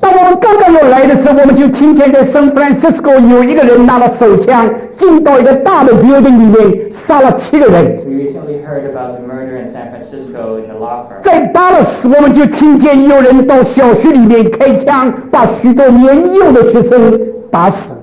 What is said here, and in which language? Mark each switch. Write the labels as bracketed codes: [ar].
[zh] 当我们刚刚要来的时候，我们就听见在 San Francisco 有一个人拿了手枪进到一个大的 building 里面杀了七个人。 [en] We recently heard about the murder in San Francisco in the law firm. [zh] 在 Dallas 我们就听见有人到小学里面开枪把许多年幼的学生打死。